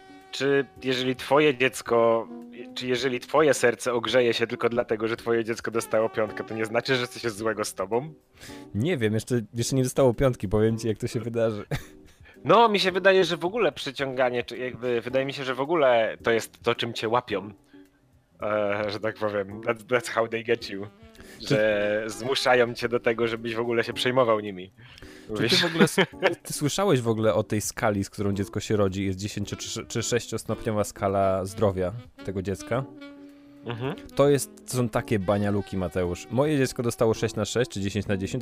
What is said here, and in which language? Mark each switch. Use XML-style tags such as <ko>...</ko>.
<pl>Czy jeżeli twoje dziecko, czy jeżeli twoje serce ogrzeje się tylko dlatego, że twoje dziecko dostało piątkę, to nie znaczy, że coś jest złego z tobą? Nie wiem, jeszcze nie dostało piątki, powiem ci, jak to się wydarzy. No, mi się wydaje, że w ogóle przyciąganie, czy jakby, wydaje mi się, że w ogóle to jest to, czym cię łapią. Że tak powiem,</pl> <en>that's how they get you.</en> <pl>Że zmuszają cię do tego, żebyś w ogóle się przejmował nimi. Mówisz? Czy ty w ogóle ty słyszałeś w ogóle o tej skali, z którą dziecko się rodzi? Jest 10 czy 6-stopniowa skala zdrowia tego dziecka? Mhm. To są takie banialuki, Mateusz. Moje dziecko dostało 6 na 6 czy 10 na 10.</pl>